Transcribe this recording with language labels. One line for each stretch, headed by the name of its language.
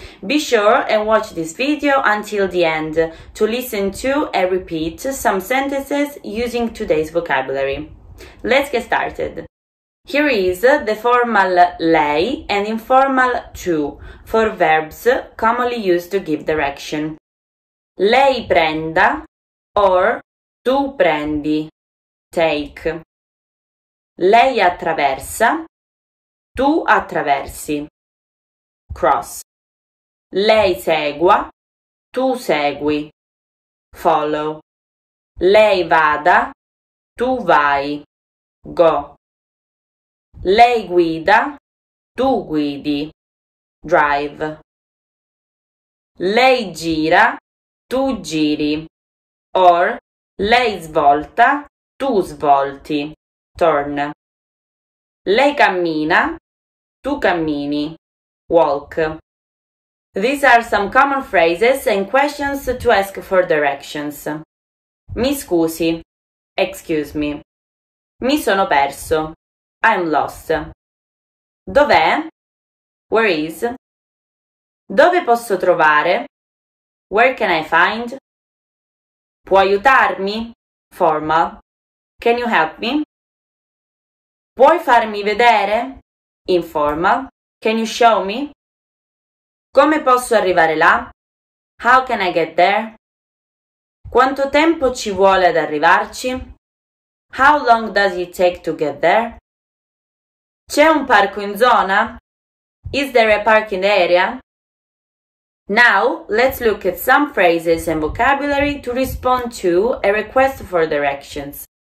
English: Be sure and watch this video until the end to listen to and repeat some sentences using today's vocabulary. Let's get started. Here is the formal lei and informal tu for verbs commonly used to give direction.
Italian: Lei prenda or tu prendi, take. Lei attraversa, tu attraversi, cross. Lei segua, tu segui, follow. Lei vada, tu vai, go. Lei guida, tu guidi, drive. Lei gira, tu giri, or lei svolta, tu svolti, turn. Lei cammina, tu cammini, walk.
English: These are some common phrases and questions to ask for directions.
Italian: Mi scusi,
English: excuse me.
Italian: Mi sono perso,
English: I'm lost.
Italian: Dov'è?
English: Where is?
Italian: Dove posso trovare?
English: Where can I find?
Italian: Può aiutarmi?
English: Formal. Can you help me?
Italian: Puoi farmi vedere?
English: Informal. Can you show me?
Italian: Come posso arrivare là?
English: How can I get there?
Italian: Quanto tempo ci vuole ad arrivarci?
English: How long does it take to get there?
Italian: C'è un parco in zona?
English: Is there a park in the area? Now, let's look at some phrases and vocabulary to respond to a request for directions.